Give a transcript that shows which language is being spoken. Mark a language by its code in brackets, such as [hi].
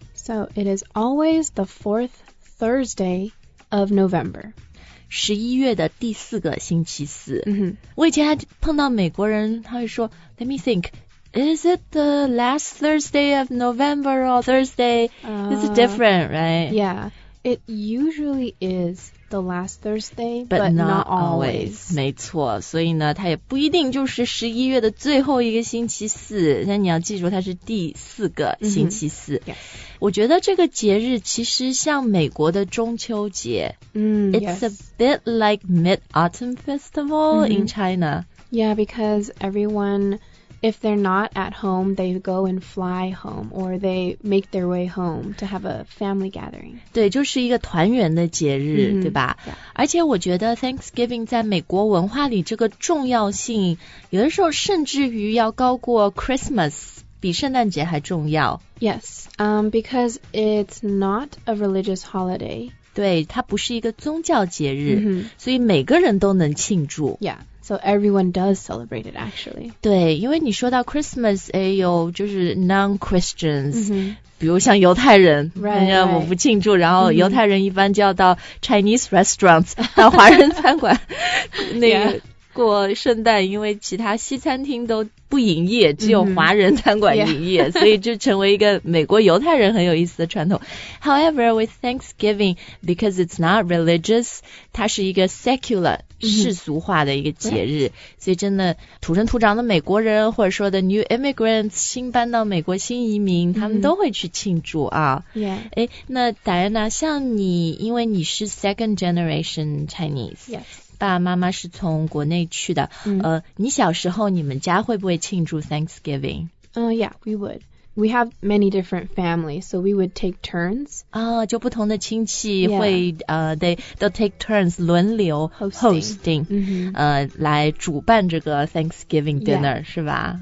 [en] So it is always the fourth Thursday of November. [zh] 十一月的第四个星期四。 Mm-hmm. 我以前还碰到美国人，他会说 [en] Let me think, is it the last Thursday of November or Thursday? It's different, right? Yeah, it usually is the last Thursday, but not always. [zh] 没错，所以呢，它也不一定就是十一月的最后一个星期四，但你要记住它是第四个星期四。 Mm-hmm. Yes. 我觉得这个节日其实像美国的中秋节。 [en] It's yes. a bit like Mid-Autumn Festival、mm-hmm. in China. Yeah, because everyone, if they're not at home, they go and fly home or they make their way home to have a family gathering. [zh] 对，就是一个团圆的节日、 mm-hmm. 对吧、 yeah. 而且我觉得 Thanksgiving 在美国文化里这个重要性有的时候甚至于要高过 Christmas, 比圣诞节还重要。 [en] Yes, because it's not a religious holiday. [zh] 对，它不是一个宗教节日、 mm-hmm. 所以每个人都能庆祝。 [en] Yeah, so everyone does celebrate it actually. [zh] 对，因为你说到 Christmas 也有就是 non-Christians、 mm-hmm. 比如像犹太人 right, 人家我不庆祝、然后犹太人一般就要到 [en] Chinese restaurants、 [zh] mm-hmm. 到华人餐馆那个过圣诞、 yeah. 因为其他西餐厅都不营业，只有华人餐馆营业、 mm-hmm. yeah. 所以就成为一个美国犹太人很有意思的传统。 [en] However, with Thanksgiving, because it's not religious, [zh] 它是一个 [en] secular、 mm-hmm. [zh] 世俗化的一个节日、 yeah. 所以真的土生土长的美国人或者说的 new immigrants 新搬到美国新移民、 mm-hmm. 他们都会去庆祝啊。 Yeah. 那 Diana, 像你因为你是 [en] second generation Chinese、 yes. [zh] 爸爸妈妈是从国内去的、嗯、你小时候你们家会不会庆祝 Thanksgiving? [en] Yeah, we would. We have many different families, so we would take turns. [zh] 啊、就不同的亲戚会、 yeah. [en] They'll take turns 轮流 hosting、嗯、 [zh] 来主办这个 Thanksgiving dinner、 yeah. 是吧